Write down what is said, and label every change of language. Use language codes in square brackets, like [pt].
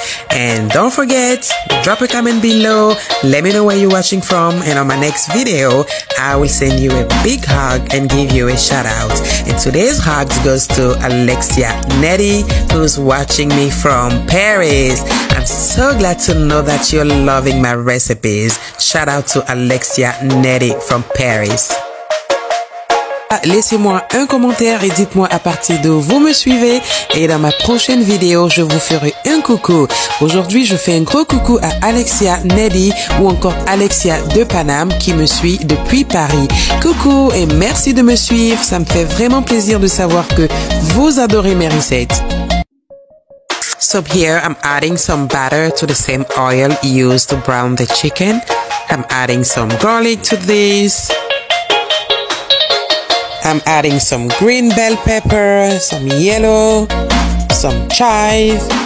[en] And don't forget, drop a comment below, let me know where you're watching from, and on my next video, I will send you a big hug and give you a shout out. And today's hug goes to Alexia Nettie, who's watching me from Paris. I'm so glad to know that you're loving my recipes. Shout out to Alexia Nettie from Paris. [fr] Laissez-moi un commentaire et dites-moi à partir d'où vous me suivez. Et dans ma prochaine vidéo, je vous ferai un coucou. Aujourd'hui, je fais un gros coucou à Alexia Nelly ou encore Alexia de Paname qui me suit depuis Paris. Coucou et merci de me suivre. Ça me fait vraiment plaisir de savoir que vous adorez mes recettes. [en] So here, I'm adding some butter to the same oil used to brown the chicken. I'm adding some garlic to this. I'm adding some green bell pepper, some yellow, some chive.